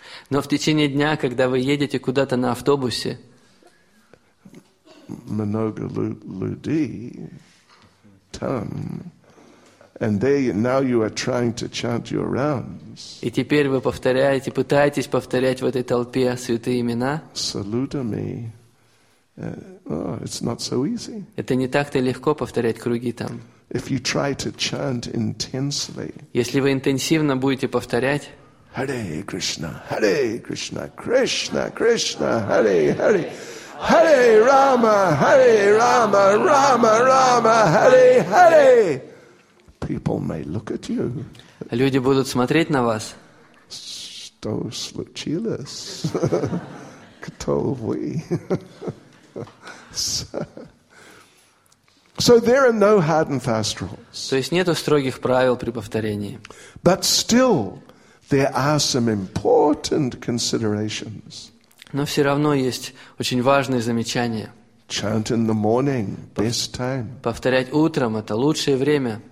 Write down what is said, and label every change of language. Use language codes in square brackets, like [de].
[ru] Но в течение дня, когда вы едете куда-то на автобусе, много людей там, [en] and they now you are trying to chant your rounds. [ru] И теперь вы повторяете, пытаетесь повторять в этой толпе святые имена. [en] Salute me. It's not so easy. [ru] Это не так-то легко повторять круги там. [en] If you try to chant intensely. [ru] Если вы интенсивно будете повторять. [sa] Hare Krishna, Krishna Krishna, Hare Hare. Hare Rama, Rama Rama, Hare Hare. [en] People may look at you. [ru] Люди будут смотреть на вас. Что случилось? Кто вы? [en] So there are no hard and fast rules. [ru] То есть нету строгих правил при повторении. [en] But still, there are some important considerations. [ru] Но все равно есть очень важные замечания. [en] Chant in the morning, best time. [ru] Повторять утром это лучшее время.